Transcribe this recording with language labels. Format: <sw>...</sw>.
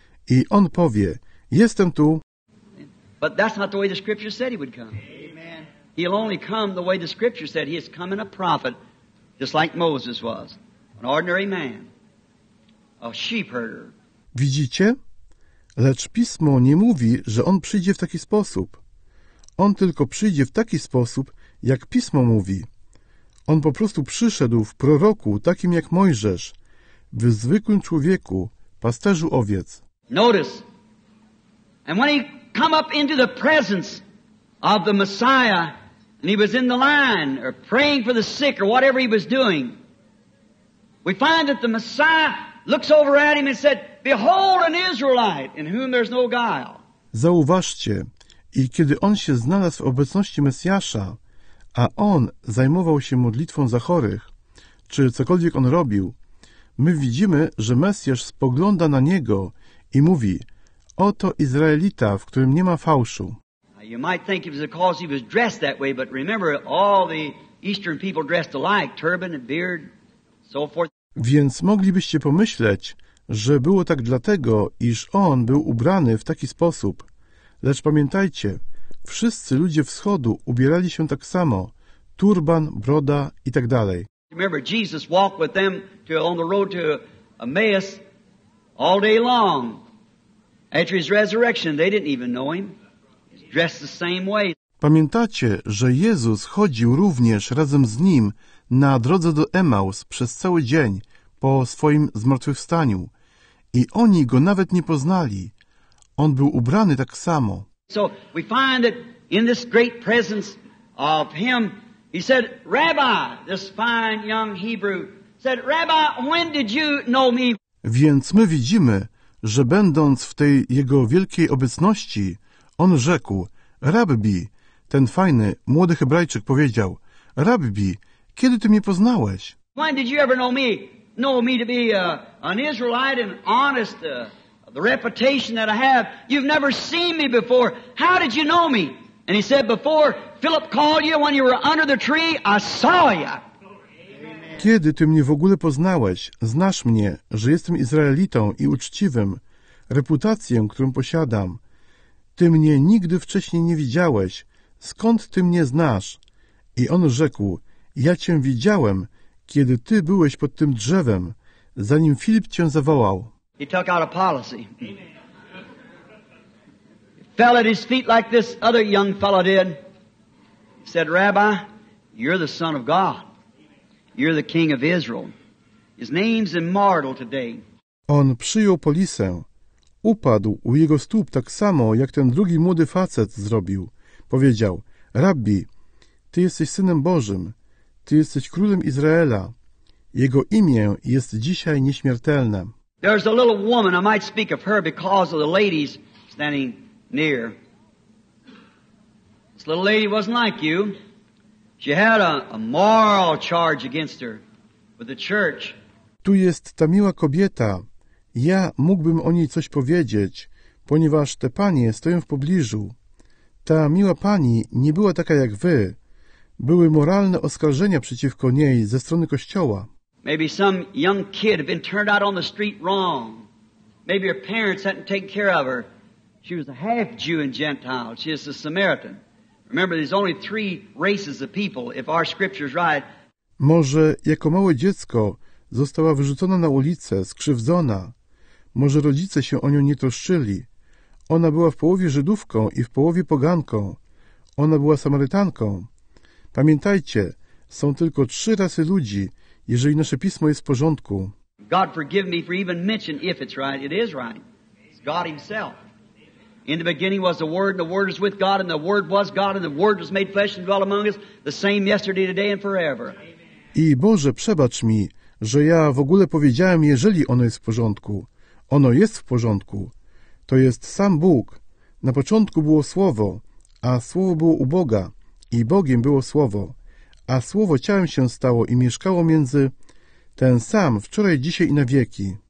<pl>I on powie, jestem tu.</pl> <en>But that's not the way the scripture said he would come. Amen. He'll only come the way the scripture said he is coming a prophet, just like Moses was, an ordinary man. A sheep herder. Widzicie?</en> <pl>Lecz Pismo nie mówi, że on przyjdzie w taki sposób. On tylko przyjdzie w taki sposób, jak Pismo mówi. On po prostu przyszedł w proroku, takim jak Mojżesz, w zwykłym człowieku, pasterzu owiec.</pl> <en>Notice. And when he come up into the presence of the Messiah, and he was in the line, or praying for the sick, or whatever he was doing, we find that the Messiah looks over at him and said, behold an Israelite in whom there's no guile.</en> <pl>Zauważcie, i kiedy on się znalazł w obecności Mesjasza, a on zajmował się modlitwą za chorych, czy cokolwiek on robił, my widzimy, że Mesjasz spogląda na niego i mówi, oto Izraelita, w którym nie ma fałszu.</pl> <en>You might think it was because he was dressed that way, but remember all the Eastern people dressed alike, turban and beard, so forth.</en> <pl>Więc moglibyście pomyśleć, że było tak dlatego, iż on był ubrany w taki sposób. Lecz pamiętajcie, wszyscy ludzie wschodu ubierali się tak samo, turban, broda i tak dalej.</pl> <en>Remember, Jesus walked with them on the road to Emmaus all day long. After his resurrection, they didn't even know him. He's dressed the same way.</en> <pl>Pamiętacie, że Jezus chodził również razem z nim na drodze do Emaus przez cały dzień po swoim zmartwychwstaniu i oni go nawet nie poznali. On był ubrany tak samo.</pl> <en>So we find that in this great presence of him, he said, Rabbi, this fine young Hebrew, said, Rabbi, when did you know me?</en> <pl>Więc my widzimy, że będąc w tej jego wielkiej obecności, on rzekł, Rabbi, ten fajny młody Hebrajczyk powiedział, Rabbi, kiedy ty mnie poznałeś?</pl> <en>When did you ever know me to be an Israelite and honest, the reputation that I have? You've never seen me before. How did you know me? And he said, before Philip called you when you were under the tree, I saw you. Amen.</en> <pl>Kiedy ty mnie w ogóle poznałeś, znasz mnie, że jestem Izraelitą i uczciwym, reputację, którą posiadam. Ty mnie nigdy wcześniej nie widziałeś. Skąd ty mnie znasz? I on rzekł, ja cię widziałem, kiedy ty byłeś pod tym drzewem, zanim Filip cię zawołał.</pl> <en>He took out a policy. He fell at his feet like this other young fellow did. He said, Rabbi, you're the son of God. You're the king of Israel. His name's immortal today.</en> <pl>On przyjął polisę. Upadł u jego stóp tak samo, jak ten drugi młody facet zrobił. Powiedział, Rabbi, ty jesteś Synem Bożym. Ty jesteś królem Izraela. Jego imię jest dzisiaj nieśmiertelne.</pl> <en>There's a little woman, I might speak of her because of the ladies standing near. This little lady wasn't like you. She had a moral charge against her with the church.</en> <pl>Tu jest ta miła kobieta. Ja mógłbym o niej coś powiedzieć, ponieważ te panie stoją w pobliżu. Ta miła pani nie była taka jak wy. Były moralne oskarżenia przeciwko niej ze strony Kościoła.</pl> <en>Maybe some young kid had been turned out on the street wrong. Maybe her parents hadn't taken care of her. She was a half Jew and Gentile. She is a Samaritan. Remember, there's only three races of people, if our scripture is right.</en> <pl>Może jako małe dziecko została wyrzucona na ulicę, skrzywdzona. Może rodzice się o nią nie troszczyli. Ona była w połowie Żydówką i w połowie poganką. Ona była Samarytanką. Pamiętajcie, są tylko trzy rasy ludzi, jeżeli nasze pismo jest w porządku.</pl> <en>God forgive me for even mentioning if it's right. It is right. It's God himself. In the beginning was the Word, and the Word was with God, and the Word was God, and the Word was made flesh and dwelt among us, the same yesterday, today, and forever.</en> <pl>I Boże, przebacz mi, że ja w ogóle powiedziałem, jeżeli ono jest w porządku. Ono jest w porządku. To jest sam Bóg. Na początku było Słowo, a Słowo było u Boga i Bogiem było Słowo, a Słowo ciałem się stało i mieszkało między ten sam wczoraj, dzisiaj i na wieki.</pl>